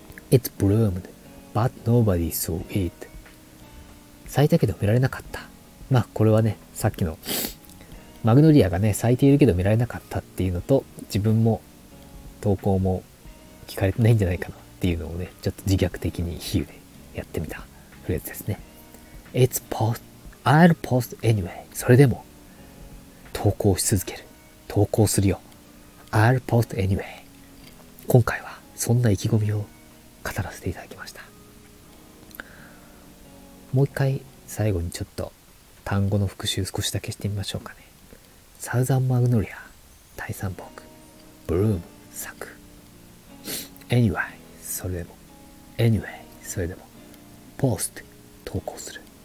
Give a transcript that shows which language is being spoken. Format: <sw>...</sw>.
<en>It bloomed but nobody saw it、</en> <ja>咲いたけど見られなかった。まあこれはね、さっきのマグノリアがね咲いているけど見られなかったっていうのと、自分も投稿も聞かれてないんじゃないかなっていうのをね、ちょっと自虐的に比喩でやってみたフレーズですね。</ja> <en>It's post I'll post anyway、</en> <ja>それでも投稿し続ける、投稿するよ、</ja> <en>I'll post anyway。</en> <ja>今回はそんな意気込みを語らせていただきました。もう一回最後にちょっと単語の復習少しだけしてみましょうかね。サウザンマグノリア、大三木、ブルーム、咲く、 Anyway、 それでも、 Anyway、 それでも、 Post、 投稿する。</ja>